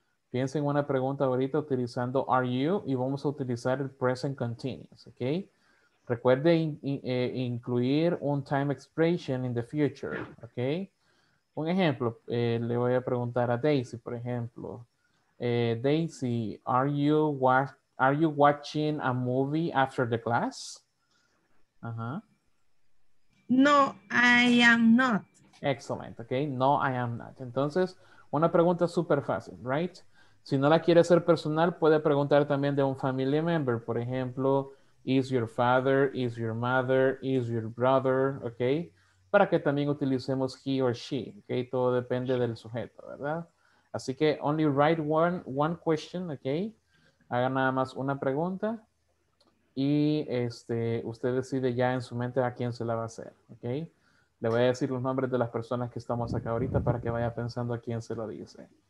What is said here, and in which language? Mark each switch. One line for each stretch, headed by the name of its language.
Spanish: Piense en una pregunta ahorita utilizando
English: are you
Spanish: y vamos a utilizar el present continuous, ¿ok? Recuerde incluir un
English: time expression in the future,
Spanish: ¿ok? Un ejemplo, le voy a preguntar a Daisy, por ejemplo.
English: Daisy, are you watching a movie after the class? Uh-huh. No, I am not. Excellent, okay. No, I am not.
Spanish: Entonces, una pregunta súper fácil,
English: right?
Spanish: Si no la quiere hacer personal, puede preguntar también de un
English: family member.
Spanish: Por ejemplo,
English: is your father, is your mother, is your brother, okay?
Spanish: Para que también utilicemos
English: he or she,
Spanish: ok, todo depende del sujeto, ¿verdad? Así que
English: only write one question,
Spanish: ok, haga nada más una pregunta y usted decide ya en su mente a quién se la va a hacer, ok. Le voy a decir los nombres de las personas que estamos acá ahorita para que vaya pensando a quién se lo dice.